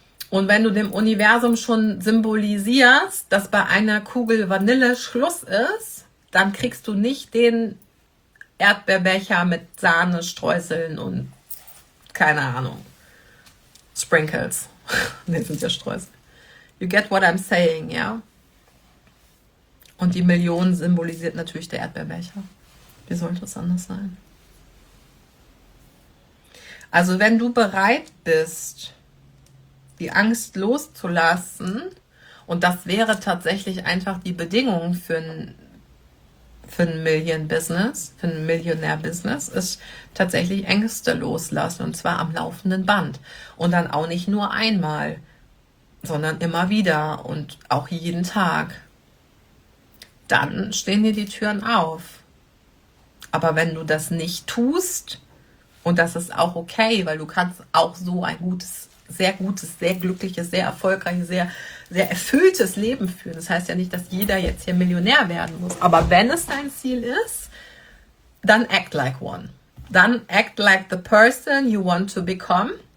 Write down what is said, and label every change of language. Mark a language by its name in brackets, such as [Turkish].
[German] Und wenn du dem Universum schon symbolisierst, dass bei einer Kugel Vanille Schluss ist, dann kriegst du nicht den Erdbeerbecher mit Sahne, Streuseln und, keine Ahnung, Sprinkles. Ne, sind ja Streusel. [English] You get what I'm saying, ja? Yeah? [German] Und die Million symbolisiert natürlich der Erdbeerbecher. Wie sollte es anders sein? Also wenn du bereit bist, die Angst loszulassen, und das wäre tatsächlich einfach die Bedingung für ein Million-Business, für ein Millionär-Business, ist tatsächlich Ängste loslassen, und zwar am laufenden Band. Und dann auch nicht nur einmal, sondern immer wieder und auch jeden Tag. Dann stehen dir die Türen auf. Aber wenn du das nicht tust, und das ist auch okay, weil du kannst auch so ein sehr gutes, sehr glückliches, sehr erfolgreiches, sehr, sehr erfülltes Leben führen. Das heißt ja nicht, dass jeder jetzt hier Millionär werden muss. Aber wenn es dein Ziel ist, dann [English] act like one. [German] Dann [English] act like the person you want to become.